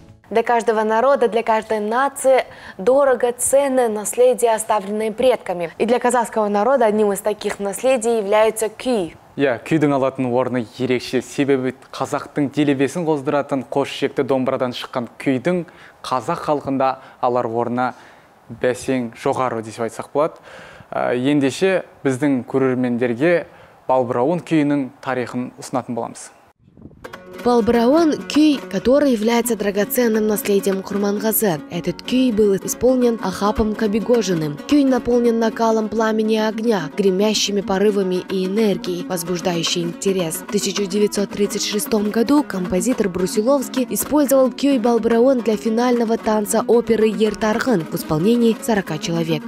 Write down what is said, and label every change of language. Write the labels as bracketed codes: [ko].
[ru] Для каждого народа, для каждой нации дорого ценны наследие, оставленное предками. И для казахского народа одним из таких наследий является күй. [kk] Күйдің алатын орны ерекше, себебі қазақтың делебесін қоздыратын қош шекті домбырадан шыққан күйдің қазақ халқында алар орны бәсең жоғары десіп айтсақ болады. Ендеше біздің көрермендерге балбырауын күйінің тарихын ұсынатын боламыз. [ru] Балбырауын – күй, который является драгоценным наследием Курмангазы. Этот күй был исполнен Ахапом Кабигожиным. Күй наполнен накалом пламени и огня, гремящими порывами и энергией, возбуждающей интерес. В 1936 году композитор Брусиловский использовал күй Балбырауын для финального танца оперы «Ертарғын» в исполнении 40 человек.